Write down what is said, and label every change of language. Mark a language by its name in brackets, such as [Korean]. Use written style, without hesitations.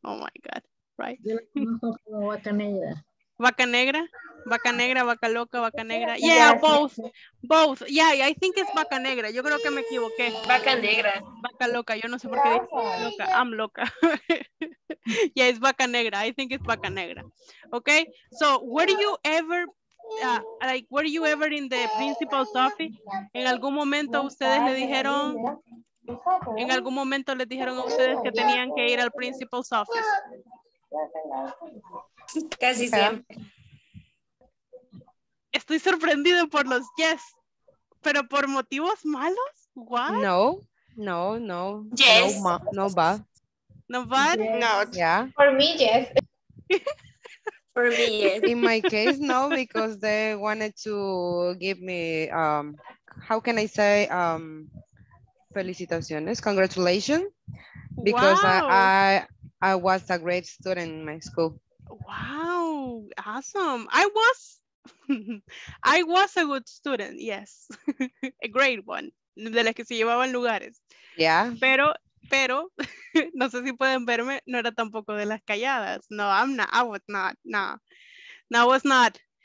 [English] Oh, my God. Right? [Spanish] Vaca negra. Vaca negra. Vaca negra, vaca loca, vaca negra. [English] Yeah, both. Both. Yeah, I think it's vaca negra. [Spanish] Yo creo que me equivoqué. Vaca negra. Vaca loca. Yo no sé por qué dije vaca loca. [English] I'm loca. Yeah, it's vaca negra. I think it's vaca negra. Okay? So, were you ever, like, were you ever in the principal's office? [Spanish] ¿En algún momento ustedes le dijeron, en algún momento les dijeron a ustedes que tenían que ir al [English] principal's office? [Spanish] Casi siempre. Estoy sorprendido por los yes, pero por motivos malos, what? No, no, no. [English] Yes. No, no bad. No bad? Yes. No. Yeah. For me, yes. For me, yes. In my case, no, because they wanted to give me, how can I say, felicitaciones, congratulations. Because wow. I was a great student in my school. Wow, awesome. I was... I was a good student, yes, a great one, [Spanish] de las que se llevaban lugares. [English] Yeah. [Spanish] Pero, no sé si pueden verme, no era tampoco de las calladas. [English] No, I'm not, I was not, no, no, I was not.